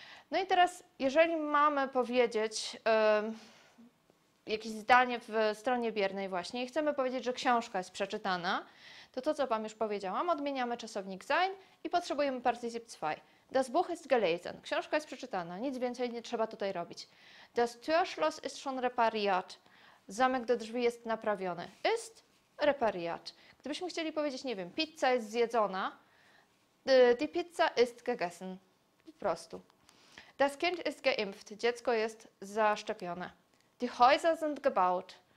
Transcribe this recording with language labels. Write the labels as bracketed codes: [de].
[pl] No i teraz, jeżeli mamy powiedzieć jakieś zdanie w stronie biernej właśnie i chcemy powiedzieć, że książka jest przeczytana, to co Wam już powiedziałam, odmieniamy czasownik sein i potrzebujemy particip 2. [de] Das Buch ist gelesen. [pl] Książka jest przeczytana. Nic więcej nie trzeba tutaj robić. [de] Das Türschloss ist schon repariert. [pl] Zamek do drzwi jest naprawiony. [de] Ist repariert. [pl] Gdybyśmy chcieli powiedzieć, nie wiem, pizza jest zjedzona. [de] Die Pizza ist gegessen. [pl] Po prostu. [de] Das Kind ist geimpft. [pl] Dziecko jest zaszczepione. [de] Die Häuser sind gebaut.